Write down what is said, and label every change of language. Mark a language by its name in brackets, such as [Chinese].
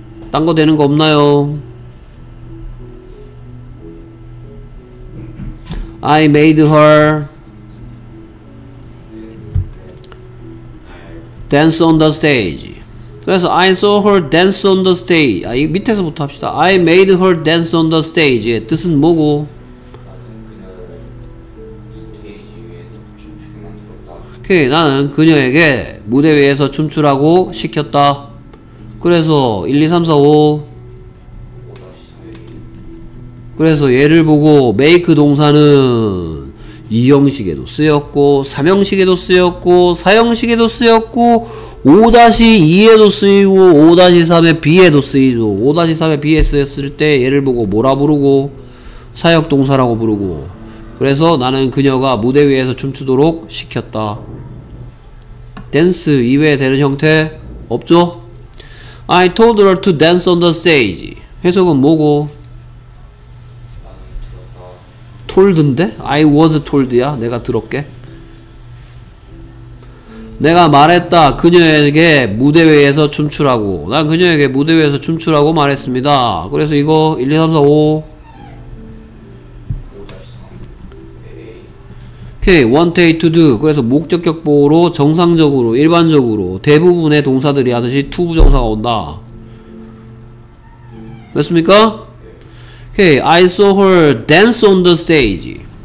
[Korean] 딴 거 되는 거 없나요? [English] I made her dance on the stage. [Korean] 그래서 [English] I saw her dance on the stage. [Korean] 아, 이 밑에서부터 합시다. [English] I made her dance on the stage. [Korean] 예, 뜻은 뭐고? 오케이, 나는 그녀에게 무대 위에서 춤추라고 시켰다. 그래서 1, 2, 3, 4, 5. 그래서 얘를 보고 make 동사는 2형식에도 쓰였고 3형식에도 쓰였고 4형식에도 쓰였고 5-2에도 쓰이고 5-3의 B에도 쓰이죠. 5-3의 B에 쓰였을 때 얘를 보고 뭐라 부르고? 사역동사라고 부르고. 그래서 나는 그녀가 무대 위에서 춤추도록 시켰다. 댄스 이외에 되는 형태 없죠? [English] I told her to dance on the stage. [Korean] 해석은 뭐고? told인데? [English] I was told [Korean] 야? 내가 들었게? 내가 말했다. 그녀에게 무대 위에서 춤추라고. 난 그녀에게 무대 위에서 춤추라고 말했습니다. 그래서 이거 1, 2, 3, 4, 5. [English] Okay, one day to do. [Korean] 그래서 목적격 보호로 정상적으로, 일반적으로 대부분의 동사들이 하듯이 to 부정사가 온다. 맞습니까? [English] Okay, I saw her dance on the stage.